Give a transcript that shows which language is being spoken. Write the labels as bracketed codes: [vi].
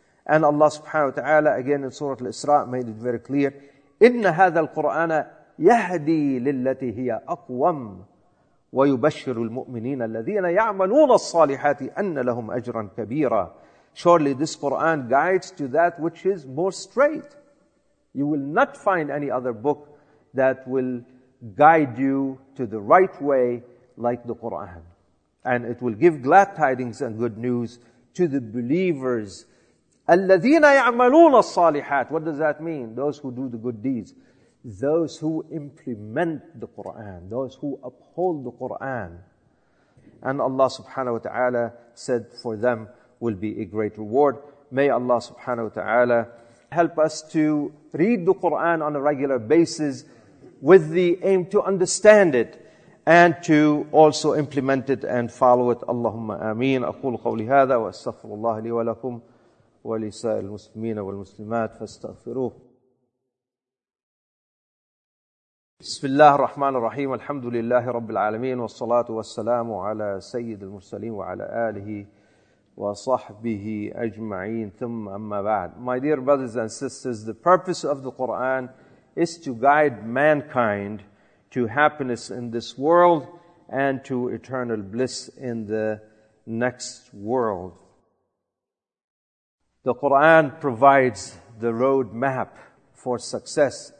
[en] And Allah subhanahu wa ta'ala, again in Surah Al-Isra, made it very clear, [ar] إِنَّ هَذَا الْقُرْآنَ يَهْدِي لِلَّتِي هِيَ أَقْوَمْ وَيُبَشِّرُ الْمُؤْمِنِينَ الَّذِينَ يَعْمَلُونَ الصَّالِحَاتِ أَنَّ لَهُمْ أَجْرًا كَبِيرًا. [en] Surely this Qur'an guides to that which is more straight. You will not find any other book that will guide you to the right way like the Qur'an. And it will give glad tidings and good news to the believers. [ar] الَّذِينَ يَعْمَلُونَ الصَّالِحَاتِ. [en] What does that mean? Those who do the good deeds. Those who implement the Qur'an. Those who uphold the Qur'an. And Allah subhanahu wa ta'ala said for them will be a great reward. May Allah subhanahu wa ta'ala help us to read the Qur'an on a regular basis with the aim to understand it and to also implement it and follow it. [ar] Allahumma ameen. أقول قولي هذا وأستغفر الله لي ولكم ولسائر المسلمين والمسلمات فاستغفروه. بسم الله الرحمن الرحيم. الحمد لله رب العالمين والصلاة والسلام على سيد المرسلين وعلى آله وصحبه أجمعين. ثم أما بعد. [en] My dear brothers and sisters, the purpose of the Quran is to guide mankind to happiness in this world and to eternal bliss in the next world. The Qur'an provides the road map for success.